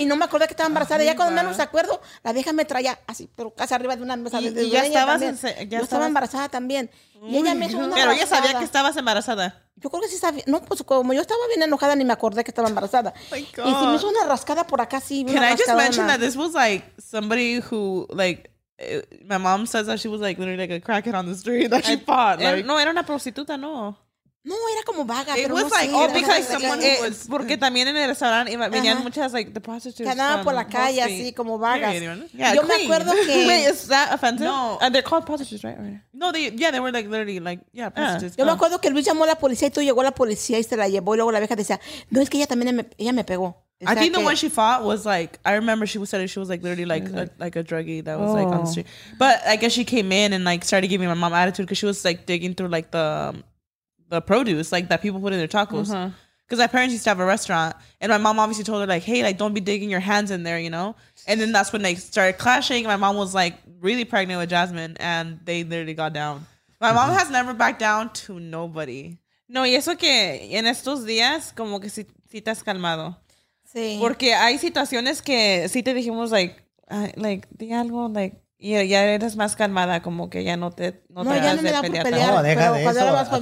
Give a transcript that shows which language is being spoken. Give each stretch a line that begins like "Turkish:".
Spanish: Y no me acordé que estaba embarazada. Ay, ya cuando menos me acuerdo, la vieja me traía así, pero casi arriba de una mesa. Y de ya estabas. Yo estaba embarazada también. Y ella me hizo una. Pero ella sabía que estabas embarazada. Yo creo que sí sabía. No, pues como yo estaba bien enojada, ni me acordé que estaba embarazada.
English: Oh my God.
Spanish: Y se me hizo una rascada por acá así.
English: Can I just mention that this was like somebody who, like, my mom says that she was like literally like a crackhead on the street that she fought.
Spanish: Like, no, era una prostituta, no. No, era como vaga,
English: it
Spanish: pero
English: was
Spanish: no
English: like,
Spanish: sé.
English: Oh, because someone who was,
Spanish: porque también en el restaurante iba, venían muchas,
English: like, the prostitutes.
Spanish: Que andaban por la calle, así, como vagas.
English: Yeah,
Spanish: yo me acuerdo que...
English: Wait, is that offensive? No. They're called prostitutes, right? No, they were, like, literally, like, yeah, prostitutes.
Spanish: Yo me acuerdo que Luis llamó a la policía y tú llegó a la policía y se la llevó. Y luego la vieja decía, no, es que ella también me pegó.
English: I think the one she fought was like, I remember she said she was like literally like a druggie that was like on the street. But I guess she came in and like started giving my mom attitude because she was like digging through like the produce like that people put in their tacos. Because my parents used to have a restaurant and my mom obviously told her like, hey, like don't be digging your hands in there, you know? And then that's when they started clashing. My mom was like really pregnant with Jasmine and they literally got down. My mom has never backed down to nobody.
Spanish: No, y eso que en estos días como que si te has calmado. Sí. Porque hay situaciones que sí te dijimos, like di algo, like, y ya eres más calmada, como que ya no te ya no me da por pelear. No, deja de eso.